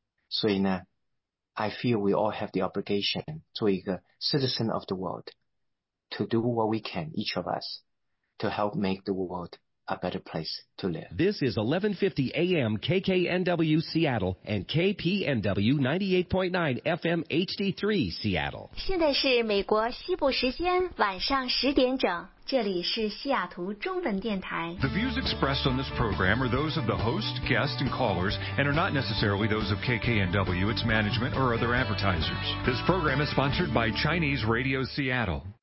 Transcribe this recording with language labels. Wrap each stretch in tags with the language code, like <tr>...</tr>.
<zh>所以呢</zh> <en>I feel we all have the obligation</en> <zh>做一个</zh> <en>citizen of the world to do what we can, each of us, to help make the world a better place to live. This is 1150 AM KKNW Seattle and KPNW 98.9 FM HD3 Seattle.</en> <zh>现在是美国西部时间晚上十点整。这里是西雅图中文电台。</zh> <en>The views expressed on this program are those of the host, guest, and callers, and are not necessarily those of KKNW, its management, or other advertisers. This program is sponsored by Chinese Radio Seattle.</en>